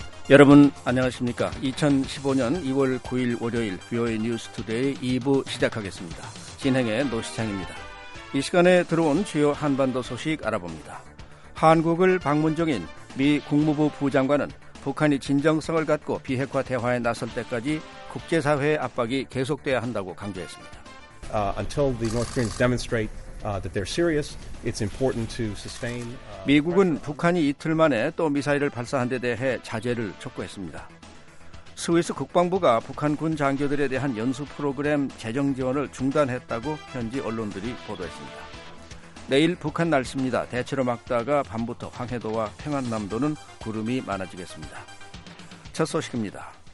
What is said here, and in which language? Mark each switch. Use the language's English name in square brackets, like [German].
[Korean] 여러분 안녕하십니까? 2015년 2월 9일 월요일 VOA News Today 2부 시작하겠습니다. 진행의 노시창입니다. 이 시간에 들어온 주요 한반도 소식 알아봅니다. 한국을 방문 중인 미 국무부 부장관은 북한이 진정성을 갖고 비핵화 대화에 나설 때까지 국제사회의 압박이 계속돼야 한다고 강조했습니다. [English] Until the North Koreans demonstrate that they're serious, it's important to sustain. [Korean] 미국은 북한이 이틀 만에 또 미사일을 발사한 데 대해 자제를 촉구했습니다. 스위스 국방부가 북한 군 장교들에 대한 연수 프로그램 재정 지원을 중단했다고 현지 언론들이 보도했습니다. 내일 북한 날씨입니다. 대체로 맑다가 밤부터 황해도와 평안남도는 구름이 많아지겠습니다. 첫 소식입니다.